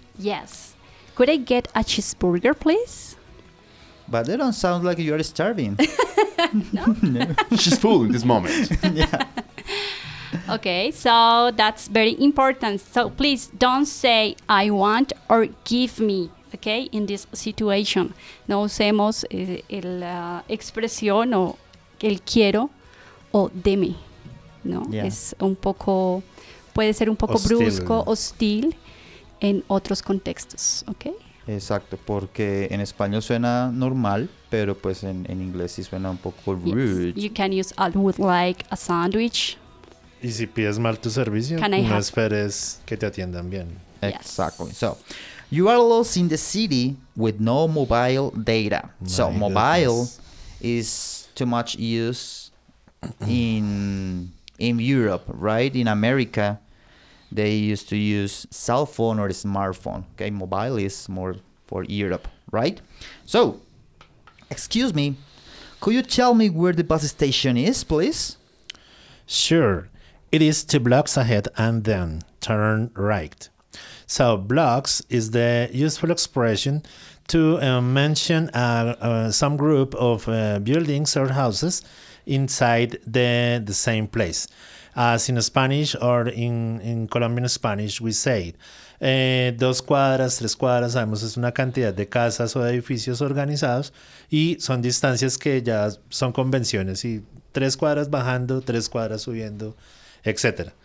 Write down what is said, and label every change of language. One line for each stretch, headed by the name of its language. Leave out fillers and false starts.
English: Yes. Could I get a cheeseburger, please? But they don't sound like you're starving. No. She's full in this moment. Yeah. Okay, so that's very important. So please don't say I want or give me, okay, in this situation.
Spanish: No usemos la expresión o el quiero o deme, ¿no?
English: Yeah.
Spanish: Es un poco, puede ser un poco hostil. Brusco, hostil en otros contextos, okay? Exacto, porque en español suena normal, pero pues en inglés sí suena un poco rude.
English: Yes. You can use I would like a sandwich.
Spanish: Y si pides mal tu servicio, no esperes que te atiendan bien.
English: Exactly. So, you are lost in the city with no mobile data. My so, goodness. Mobile is too much use in Europe, right? In America, they used to use cell phone or smartphone. Okay, mobile is more for Europe, right? So, excuse me, could you tell me where the bus station is, please? Sure. It is 2 blocks ahead and then turn right. So blocks is the useful expression to mention some group of buildings or houses inside the same place.
Spanish: As in Spanish or in Colombian Spanish, we say dos cuadras, tres cuadras, sabemos es una cantidad de casas o de edificios organizados y son distancias que ya son convenciones y tres cuadras bajando, tres cuadras subiendo, etc.